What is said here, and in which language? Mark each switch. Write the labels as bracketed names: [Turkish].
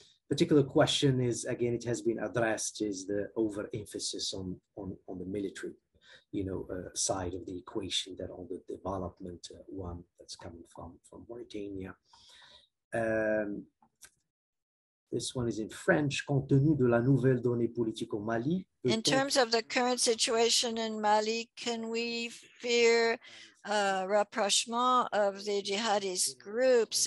[English] Particular question is, again, it has been addressed, is the overemphasis on the military, you know, side of the equation, that on the development one that's coming from Mauritania. This one is in French. [French] Compte tenu de la nouvelle donnée politique au Mali, [English] in terms of the current situation in Mali, can we fear a rapprochement of the jihadist groups?